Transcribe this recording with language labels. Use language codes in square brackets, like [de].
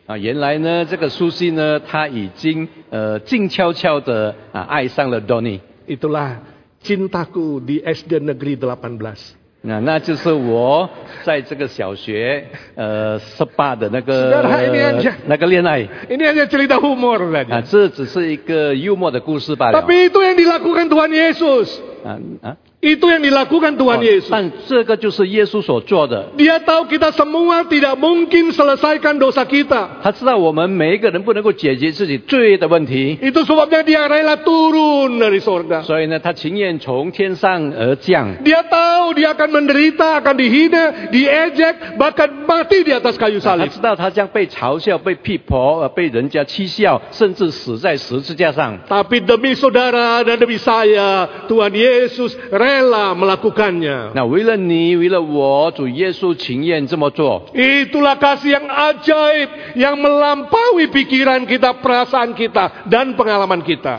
[zh] 啊，原来呢，这个 Susie 呢，她已经静悄悄的爱上了 Doni. [id] Itulah cintaku di SD Negeri 18. [zh] 那就是我在这个小学18的那个恋爱。 [id] Ini hanya cerita humor lagi. [zh] 啊，这只是一个幽默的故事罢了。 [id] Tapi itu yang dilakukan Tuhan Yesus. Itu yang dilakukan Tuhan Yesus. [zh] 但这个就是耶稣所做的。 [id] Dia tahu kita semua tidak mungkin selesaikan dosa kita. [zh] 他知道我们每一个人不能够解决自己罪的问题。 [id] Itu sebabnya dia rela turun dari surga. [zh] 所以呢，他情愿从天上而降。 [id] Dia tahu dia akan menderita, akan dihina, diejek, bahkan mati di atas kayu salib. [zh] 他知道他将被嘲笑、被批驳、被人家讥笑，甚至死在十字架上。 [id] Tapi demi saudara dan demi saya, Tuhan Yesus. Rela melakukannya. [zh] 那为了你，为了我，主耶稣情愿这么做。 [id] Itulah kasih yang ajaib yang melampaui pikiran kita, perasaan kita dan pengalaman kita.